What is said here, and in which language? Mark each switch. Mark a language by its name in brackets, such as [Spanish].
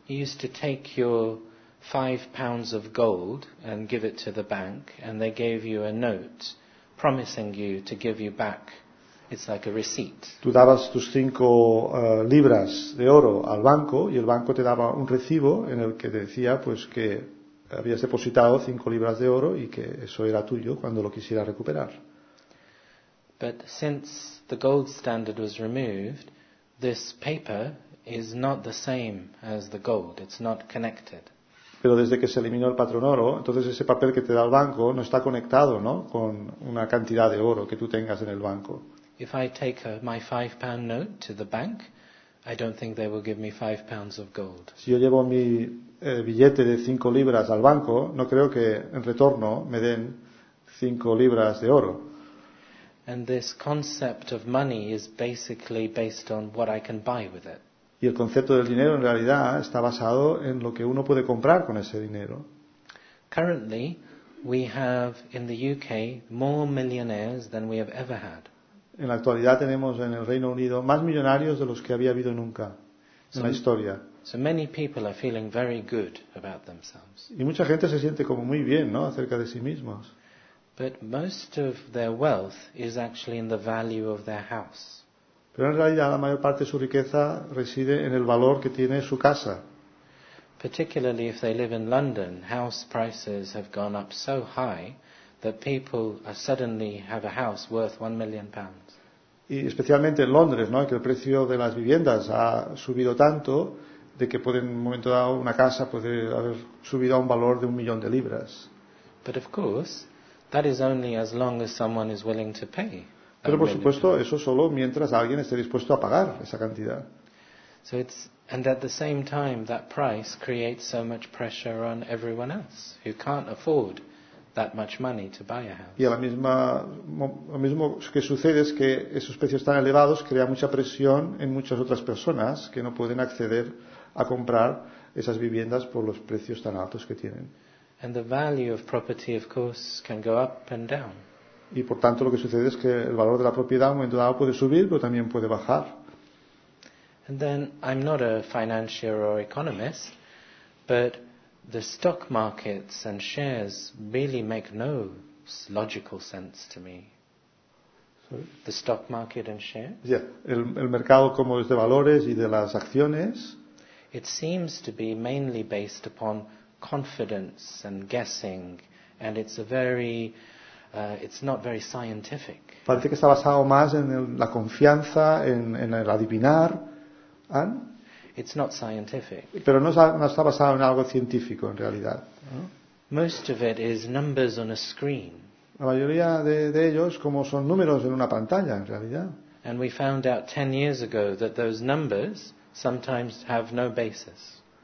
[English] You used to take your 5 pounds of gold and give it to the bank, and they gave you a note promising you to give you back. It's like a receipt. [Spanish] Tú dabas tus 5 libras de oro al banco y el banco te daba un recibo en el que te decía pues que habías depositado 5 libras de oro y que eso era tuyo cuando lo quisieras recuperar. [English] But since the gold standard was removed, this paper is not the same as the gold. It's not connected. [Spanish] Pero desde que se eliminó el patrón oro, entonces ese papel que te da el banco no está conectado, ¿no?, con una cantidad de oro que tú tengas en el banco. [English] If I take my 5 pound note to the bank, I don't think they will give me 5 pounds of gold. [Spanish] Si yo llevo mi billete de 5 libras al banco, no creo que en retorno me den 5 libras de oro. [English] And this concept of money is basically based on what I can buy with it. [Spanish] Y el concepto del dinero en realidad está basado en lo que uno puede comprar con ese dinero. [English] Currently, we have in the UK more millionaires than we have ever had. [Spanish] En la actualidad tenemos en el Reino Unido más millonarios de los que había habido nunca en la historia. [English] So many people are feeling very good about themselves. [Spanish] Y mucha gente se siente como muy bien, ¿no?, acerca de sí mismos. [English] But most of their wealth is actually in the value of their house. [Spanish] Pero en realidad la mayor parte de su riqueza reside en el valor que tiene su casa. [English] Particularly if they live in London, house prices have gone up so high that people suddenly have a house worth 1 million pounds. [Spanish] Y especialmente en Londres, ¿no?, que el precio de las viviendas ha subido tanto de que puede en un momento dado una casa puede haber subido a un valor de 1 million de libras. [English] But of course, that is only as long as someone is willing to pay. [Spanish] Pero por supuesto, eso solo mientras alguien esté dispuesto a pagar esa cantidad. [English] So it's, and at the same time, that price creates so much pressure on everyone else who can't afford that much money to buy a house. [Spanish] Y a la misma, lo mismo que sucede es que esos precios tan elevados crean mucha presión en muchas otras personas que no pueden acceder a comprar esas viviendas por los precios tan altos que tienen. [English] And the value of property, of course, can go up and down. [Spanish] Y por tanto lo que sucede es que el valor de la propiedad en un momento dado puede subir, pero también puede bajar. [English] And then, I'm not a financier or economist, but the stock markets and shares really make no logical sense to me. Sorry? The stock market and shares? [Spanish] Yeah, el mercado como es de valores y de las acciones. [English] It seems to be mainly based upon confidence and guessing, and it's a very... it's not very scientific. [Spanish] Parece que está basado más en la confianza, en el adivinar. ¿Eh? [English] It's not scientific. [Spanish] Pero no está basado en algo científico, en realidad. ¿No? [English] Most of it is numbers on a screen. [Spanish] La mayoría de ellos como son números en una pantalla, en realidad. [English] And we found out 10 years ago that those numbers sometimes have no basis.